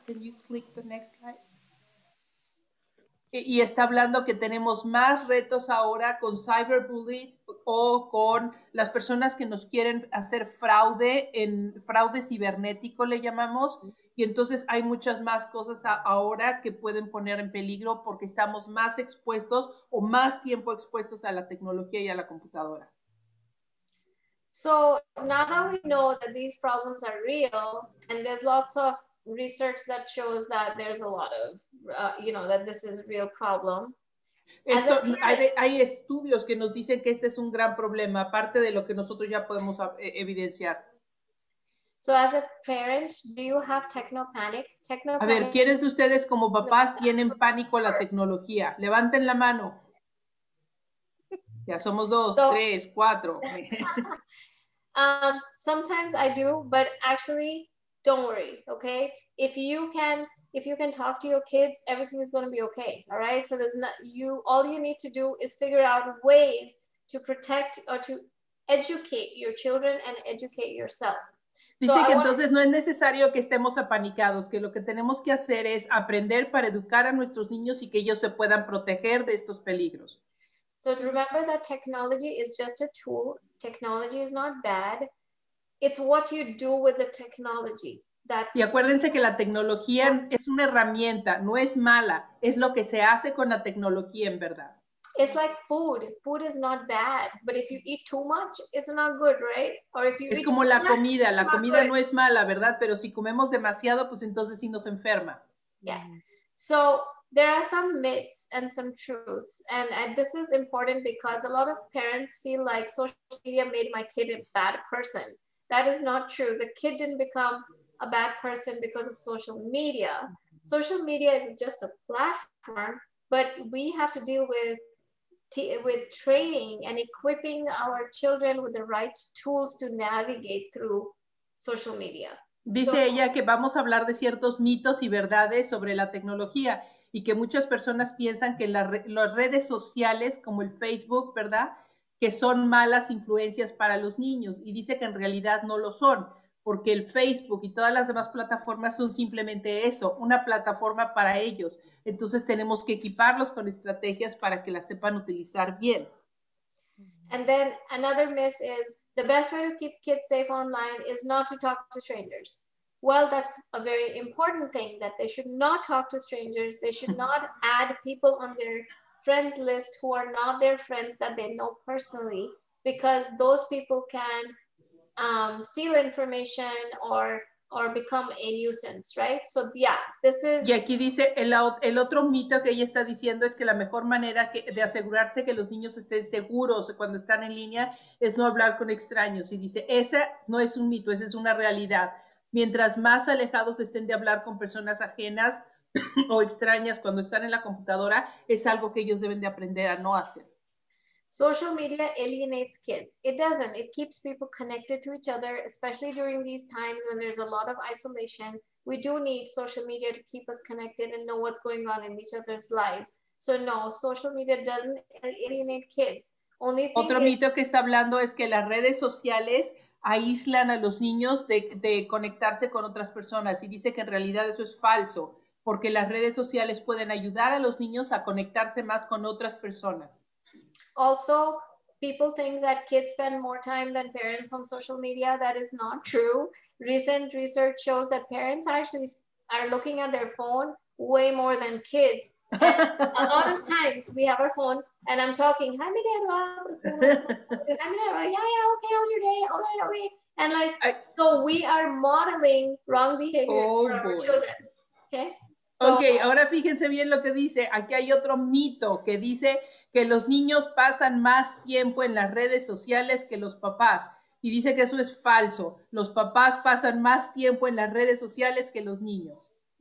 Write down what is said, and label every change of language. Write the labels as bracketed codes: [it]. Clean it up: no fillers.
[en] Can you click the next slide? [es] Y está hablando que tenemos más retos ahora con cyberbullies o con las personas que nos quieren hacer fraude, en fraude cibernético le llamamos, y entonces hay muchas más cosas ahora que pueden poner en peligro porque estamos más expuestos o más tiempo expuestos a la tecnología y a la computadora. [en] So now that we know that these problems are real, and there's lots of research that shows that there's a lot of, you know, that this is a real problem. [es] Esto, hay estudios que nos dicen que este es un gran problema, aparte de lo que nosotros ya podemos evidenciar. [en] So as a parent, do you have techno panic? [es] A ver, ¿quiénes de ustedes como papás tienen pánico a la tecnología? Levanten la mano. Ya somos dos, so, tres, cuatro. [en] Sometimes I do, but actually, don't worry, okay? If you can talk to your kids, everything is going to be okay, all right? So there's not, you, all you need to do is figure out ways to protect or to educate your children and educate yourself. [es] Dice que entonces no es necesario que estemos apanicados, que lo que tenemos que hacer es aprender para educar a nuestros niños y que ellos se puedan proteger de estos peligros. [en] So remember that technology is just a tool. Technology is not bad. It's what you do with the technology. [es] Y acuérdense que la tecnología es una herramienta, no es mala. Es lo que se hace con la tecnología, en verdad. [en] It's like food. Food is not bad. But if you eat too much, it's not good, right? Or if you [es] es eat como la comida. La comida no es mala, ¿verdad? Pero si comemos demasiado, pues entonces sí nos enferma. [en] Yeah. So there are some myths and some truths, and this is important because a lot of parents feel like social media made my kid a bad person. That is not true. The kid didn't become a bad person because of social media. Social media is just a platform, but we have to deal with training and equipping our children with the right tools to navigate through social media. [es] Dice ella que vamos a hablar de ciertos mitos y verdades sobre la tecnología. y que muchas personas piensan que las redes sociales, como el Facebook, ¿verdad?, que son malas influencias para los niños, y dice que en realidad no lo son, porque el Facebook y todas las demás plataformas son simplemente eso, una plataforma para ellos. Entonces tenemos que equiparlos con estrategias para que las sepan utilizar bien. [en] And then another myth is the best way to keep kids safe online is not to talk to strangers. Well, that's a very important thing, that they should not talk to strangers. They should not add people on their friends list who are not their friends that they know personally, because those people can steal information or become a nuisance, right? So yeah, this is... [es] Y aquí dice, el otro mito que ella está diciendo es que la mejor manera de asegurarse que los niños estén seguros cuando están en línea es no hablar con extraños. Y dice, ese no es un mito, esa es una realidad. Mientras más alejados estén de hablar con personas ajenas o extrañas cuando están en la computadora, es algo que ellos deben de aprender a no hacer. [en] Social media alienates kids. It doesn't. It keeps people connected to each other, especially during these times when there's a lot of isolation. We do need social media to keep us connected and know what's going on in each other's lives. So no, social media doesn't alienate kids. Only thing [es] otro mito que está hablando es que las redes sociales aíslan a los niños de conectarse con otras personas, y dice que en realidad eso es falso, porque las redes sociales pueden ayudar a los niños a conectarse más con otras personas. [en] Also, people think that kids spend more time than parents on social media. That is not true. Recent research shows that parents actually are looking at their phone way more than kids. And a lot of times we have our phone and I'm talking, hi, Miguel, hi, Miguel, yeah, yeah, okay, how's your day? Okay, okay. And like, so we are modeling wrong behavior for our children. Okay. [es] Ok, ahora fíjense bien lo que dice. Aquí hay otro mito que dice que los niños pasan más tiempo en las redes sociales que los papás. Y dice que eso es falso. Los papás pasan más tiempo en las redes sociales que los niños.